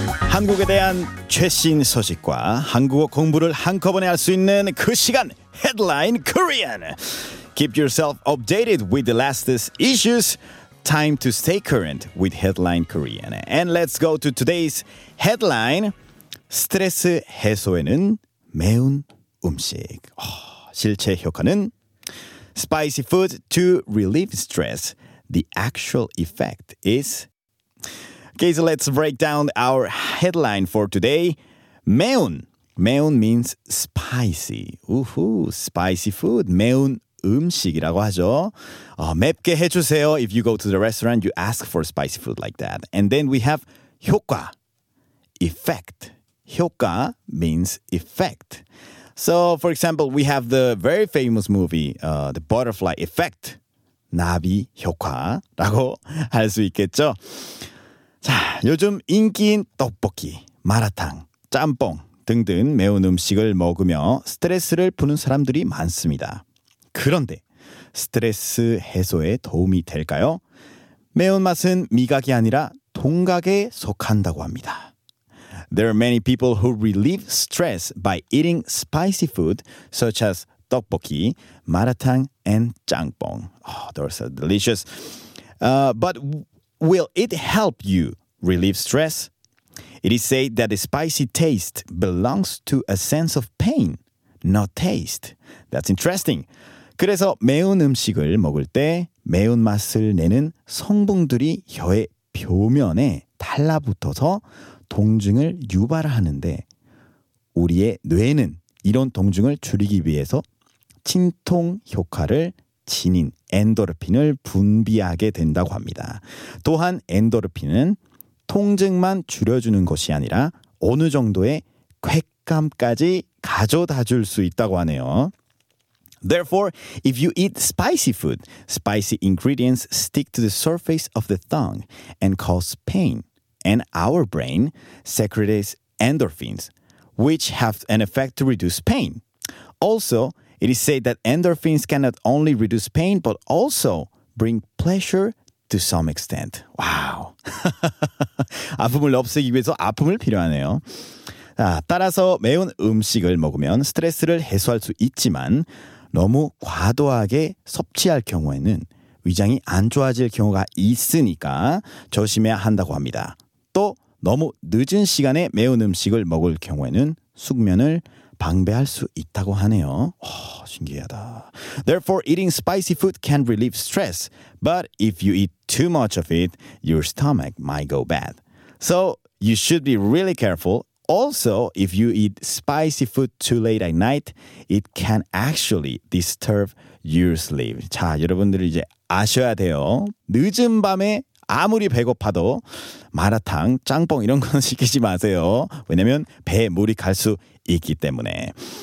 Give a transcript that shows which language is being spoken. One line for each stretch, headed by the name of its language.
Korean: 한국에 대한 최신 소식과 한국어 공부를 한꺼번에 할 수 있는 그 시간, Headline Korean.
English: Keep yourself updated with the latest issues. Time to stay current with Headline Korean. And let's go to today's headline.
Korean: 스트레스 해소에는 매운 음식. 실제 효과는
English: spicy food to relieve stress. The actual effect is... Okay, so let's break down our headline for today.
Korean: 매운.
English: 매운 means spicy. 우후, spicy food.
Korean: 매운 음식이라고 하죠. 맵게 해주세요.
English: If you go to the restaurant, you ask for spicy food like that. And then we have 효과. Effect. 효과 means effect. So, for example, we have the very famous movie, The Butterfly Effect.
Korean: 나비 효과라고 할 수 있겠죠. 자, 요즘 인기인 떡볶이, 마라탕, 짬뽕 등등 매운 음식을 먹으며 스트레스를 푸는 사람들이 많습니다. 그런데 스트레스 해소에 도움이 될까요? 매운맛은 미각이 아니라 동각에 속한다고 합니다.
English: There are many people who relieve stress by eating spicy food such as 떡볶이, 마라탕, and 짬뽕. Oh, those are delicious. But will it help you relieve stress? It is said that a spicy taste belongs to a sense of pain, not taste. That's interesting.
Korean: 그래서 매운 음식을 먹을 때 매운 맛을 내는 성분들이 혀의 표면에 달라붙어서 동증을 유발하는데 우리의 뇌는 이런 동증을 줄이기 위해서 진통 효과를 지닌 엔도르핀을 분비하게 된다고 합니다. 또한 엔도르핀은 통증만 줄여주는 것이 아니라 어느 정도의 쾌감까지 가져다 줄 수 있다고 하네요.
English: Therefore, if you eat spicy food, spicy ingredients stick to the surface of the tongue and cause pain. And our brain secretes endorphins, which have an effect to reduce pain. Also, it is said that endorphins can not only reduce pain, but also bring pleasure to some extent. Wow.
Korean: 아픔을 없애기 위해서 아픔을 필요하네요. 자, 따라서 매운 음식을 먹으면 스트레스를 해소할 수 있지만 너무 과도하게 섭취할 경우에는 위장이 안 좋아질 경우가 있으니까 조심해야 한다고 합니다. 또 너무 늦은 시간에 매운 음식을 먹을 경우에는 숙면을 방해할 수 있다고 하네요. 오, 신기하다.
English: Therefore, eating spicy food can relieve stress. But if you eat too much of it, your stomach might go bad. So, you should be really careful. Also, if you eat spicy food too late at night, it can actually disturb your sleep.
Korean: 자, 여러분들이 이제 아셔야 돼요. 늦은 밤에 아무리 배고파도 마라탕, 짬뽕 이런 건 시키지 마세요. 왜냐면 배에 물이 갈 수 있기 때문에.